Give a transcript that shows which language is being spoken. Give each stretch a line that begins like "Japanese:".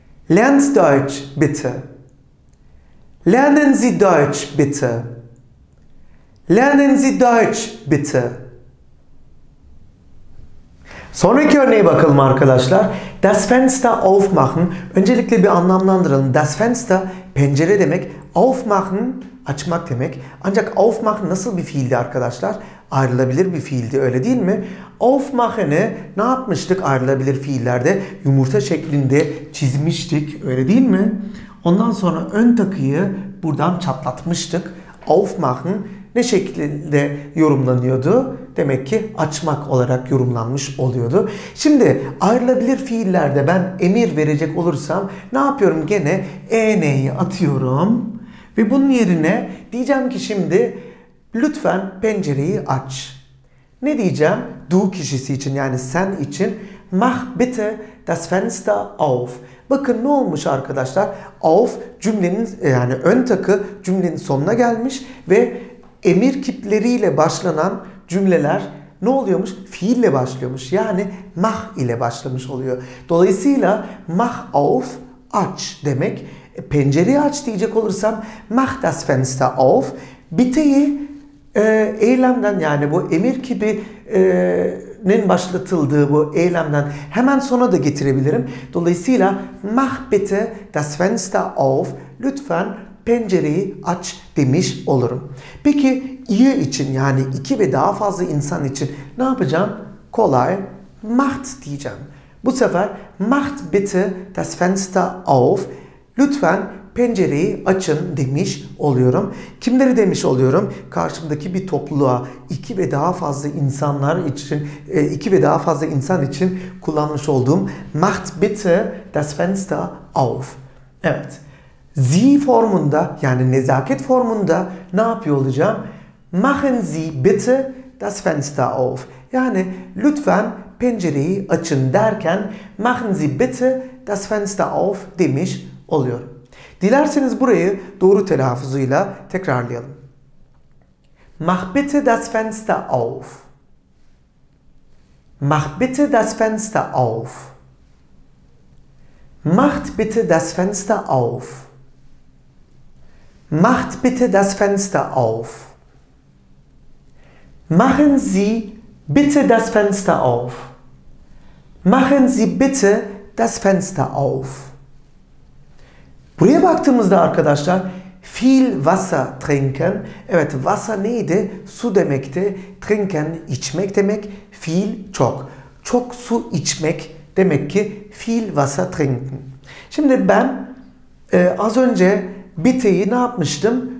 German: Lernt Deutsch bitte. Lernen Sie Deutsch bitte. Lernen Sie Deutsch bitte.
Turkish: Sonraki örneğe bakalım arkadaşlar.
German: Das Fenster aufmachen.
Turkish: Öncelikle bir anlamlandıralım.
German: Das Fenster
Turkish: pencere demek. Aufmachen açmak demek. Ancak aufmachen nasıl bir fiildi arkadaşlar? Ayrılabilir bir fiildi, öyle değil mi? Aufmachen'ı ne yapmıştık ayrılabilir fiillerde? Yumurta şeklinde çizmiştik, öyle değil mi? Ondan sonra ön takıyı buradan çatlatmıştık. Aufmachen ne şekilde yorumlanıyordu? Demek ki açmak olarak yorumlanmış oluyordu. Şimdi ayrılabilir fiillerde ben emir verecek olursam ne yapıyorum? Gene ene'yi atıyorum. Ve bunun yerine diyeceğim ki şimdi lütfen pencereyi aç. Ne diyeceğim? Du kişisi için, yani sen için.
German: Mach bitte das Fenster auf.
Turkish: Bakın ne olmuş arkadaşlar? Auf cümlenin, yani ön takı cümlenin sonuna gelmiş ve emir kipleriyle başlanan cümleler ne oluyormuş? Fiille başlıyormuş. Yani mach ile başlamış oluyor. Dolayısıyla
German: mach auf
Turkish: aç demek. Pencereyi aç diyecek olursam
German: mach das Fenster auf.
Turkish: Bitte'yi eylemden, yani bu emir kipinin başlatıldığı bu eylemden hemen sonra da getirebilirim. Dolayısıyla
German: mach bitte das Fenster auf.
Turkish: Lütfen pencereyi aç demiş olurum. Peki ihr için, yani iki ve daha fazla insan için ne yapacağım? Kolay. Macht diyeceğim. Bu sefer
German: macht bitte das Fenster auf.
Turkish: Lütfen pencereyi açın demiş oluyorum. Kimleri demiş oluyorum? Karşımdaki bir topluluğa, iki ve daha fazla insanlar için, iki ve daha fazla insan için kullanmış olduğum
German: macht bitte das Fenster auf.
Turkish: Evet. Sie formunda, yani nezaket formunda ne yapıyor olacağım?
German: Machen Sie bitte das Fenster auf.
Turkish: Yani lütfen pencereyi açın derken
German: machen Sie bitte das Fenster auf
Turkish: demiş oluyorum. Dilerseniz burayı doğru telaffuzuyla tekrarlayalım.
German: Mach bitte das Fenster auf. Mach bitte das Fenster auf. Macht bitte das Fenster auf. Macht bitte das Fenster auf. Machen Sie bitte das Fenster auf. Machen Sie bitte das Fenster auf.
Turkish: Buraya baktığımızda arkadaşlar
German: viel Wasser trinken.
Turkish: Evet, Wasser neydi? Su demekti. Trinken içmek demek. Viel çok. Çok su içmek demek ki
German: viel Wasser trinken.
Turkish: Şimdi ben az önce bitte'yi ne yapmıştım?